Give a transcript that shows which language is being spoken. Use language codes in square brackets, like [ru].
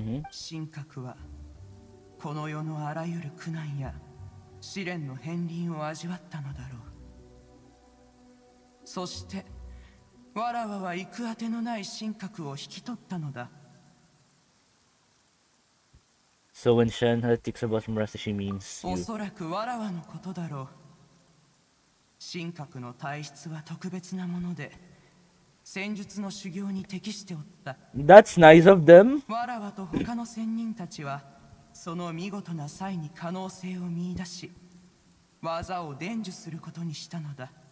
[ja] 神格はこの世のあらゆる苦難や試練の片鱗を味わったのだろう。そしてわらわは行く当てのない神格を引き取ったのだ。 [en] So when Shenhe thinks about Murasa, she means you. [ja] おそらくわらわのことだろう。神格の体質は特別なもので戦術の修行に適しておった。 [en] That's nice of them. [ja] わらわと他の仙人たちはその見事な才に可能性を見出し技を伝授することにしたのだ。